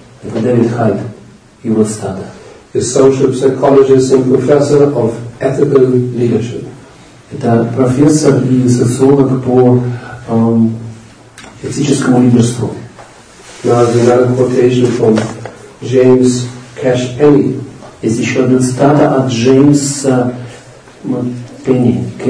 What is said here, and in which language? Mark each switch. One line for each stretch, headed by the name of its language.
Russian: Это Дэвид Хайд, его цитата.
English: A social psychologist and professor of ethical leadership.
Russian: Это профессор и социолог по этическому лидерству.
English: Now there's another quotation from James Cash Penny.
Russian: Есть еще одна цитата от Джеймса Пенни.